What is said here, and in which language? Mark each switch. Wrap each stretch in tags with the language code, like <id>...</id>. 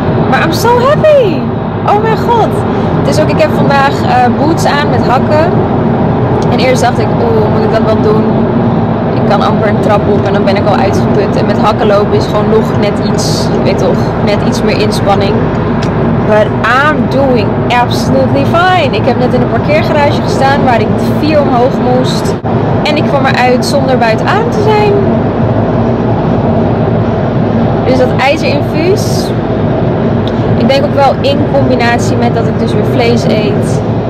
<nl>Maar</nl> <en>I'm so happy!</en> <nl>Oh mijn god! Dus ook, ik heb vandaag boots aan met hakken. En eerst dacht ik, oeh, moet ik dat wel doen? Ik kan amper een trap op en dan ben ik al uitgeput. En met hakken lopen is gewoon nog net iets, weet toch, net iets meer inspanning.</nl> <en>But I'm doing absolutely fine.</en> <nl>Ik heb net in een parkeergarage gestaan waar ik 4 omhoog moest. En ik kwam eruit zonder buiten adem te zijn. Dus dat ijzerinfuus. Ik denk ook wel in combinatie met dat ik dus weer vlees eet.</nl>